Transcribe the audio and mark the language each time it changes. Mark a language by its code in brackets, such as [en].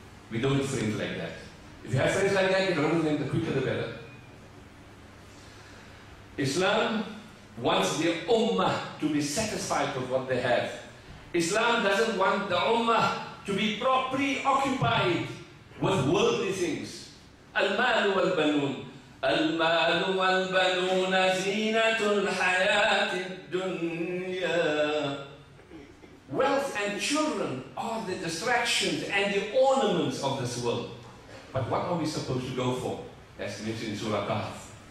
[en] We don't have friends like that. If you have friends like that, you run with them, the quicker the better. Islam wants the Ummah to be satisfied with what they have. Islam doesn't want the Ummah to be preoccupied with worldly things. [ar] Al-Malu wal-Banun. المال والبنون زينة الحياة الدنيا. [en] Wealth and children are the distractions and the ornaments of this world. But what are we supposed to go for? As mentioned in Surah Qaf.